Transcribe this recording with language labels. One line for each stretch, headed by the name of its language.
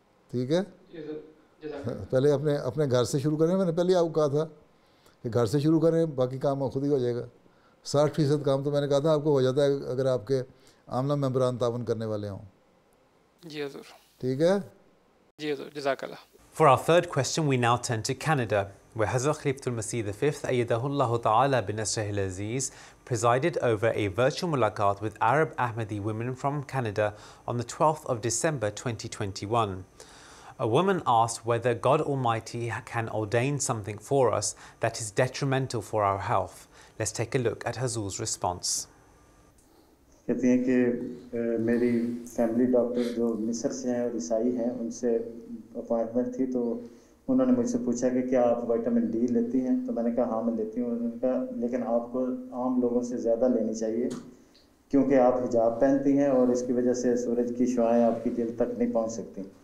Urdu: ٹھیک ہے, پہلے اپنے گھر سے شروع کریں. میں نے پہلے آپ کو کہا تھا کہ گھر سے شروع کریں, باقی کام خود ہی ہو جائے گا. 60% کام تو میں نے کہا تھا آپ کو ہو جاتا ہے اگر آپ کے عاملہ ممبران تعاون کرنے والے ہوں. جی حضور. ٹھیک ہے, جی حضور, جزاک اللہ.
English: For our third question, we now turn to Canada, where Hazrat Khalifatul-Masih V,
Arabic: ayyadahullahu ta'ala bin nasrihi al-aziz,
English: presided over a virtual mulaqat with Arab Ahmadi women from Canada on the 12th of December 2021. A woman asked whether God Almighty can ordain something for us that is detrimental for our health. Let's take a look at Hazul's response.
Urdu: کہتے ہیں کہ میری family doctor جو مصر سے ہیں اور عیسائی ہیں, ان سے اپوائنٹمنٹ تھی, تو انہوں نے مجھ سے پوچھا کہ کیا آپ وائٹامن ڈی لیتی ہیں, تو میں نے کہا ہاں میں لیتی ہوں. انہوں نے کہا لیکن آپ کو عام لوگوں سے زیادہ لینی چاہیے کیونکہ آپ حجاب پہنتی ہیں اور اس کی وجہ سے سورج کی شعائیں آپ کی جلد تک نہیں پہنچ سکتی.